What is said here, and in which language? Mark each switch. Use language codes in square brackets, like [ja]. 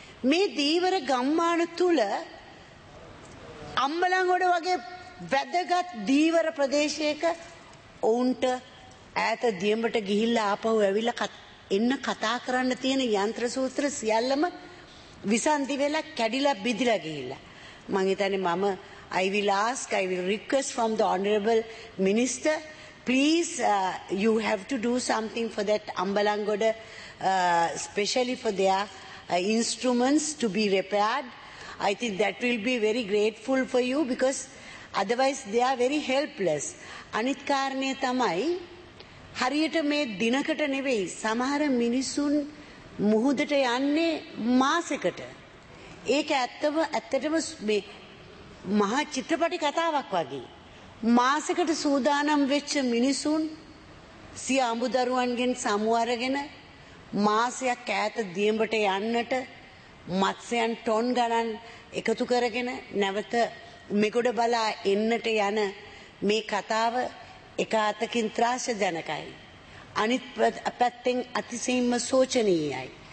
[si] මේ ධීවර ගම්මාන තුල අම්බලන්ගොඩ වගේ වැදගත් ධීවර ප්‍රදේශයක ඔවුන්ට ඈත දියඹට ගිහිල්ලා ආපහු ඇවිල්ලා එන්න කතා කරන්න තියෙන යන්ත්‍ර සූත්‍ර සියල්ලම විසන්දි වෙලා කැඩිලා බිඳිලා ගිහිල්ලා. මං හිතන්නේ මම [en] I will request from the honorable minister, please you have to do something for that Ambalangoda, especially for their instruments to be repaired. I think that will be very grateful for you because otherwise they are very helpless. [si] අනිත් කාරණේ තමයි හරියට මේ දිනකට නෙවෙයි සමහර මිනිසුන් මුහුදට යන්නේ මාසෙකට. ඒක ඇත්තටම මේ මහා චිත්‍රපටි කතාවක් වගේ. මාසෙකට සූදානම් වෙච්ච මිනිසුන් සිය අඹදරුවන්ගෙන් සමු අරගෙන මාසයක් ඈත දියඹට යන්නට මත්ස්‍යයන් ටොන් ගණන් එකතු කරගෙන නැවත මෙගොඩ බලා එන්නට යන මේ කතාව එක අතකින් ත්‍රාසජනකයි, අනිත් පැත්තෙන් අතිශයින්ම සෝචනීයයි.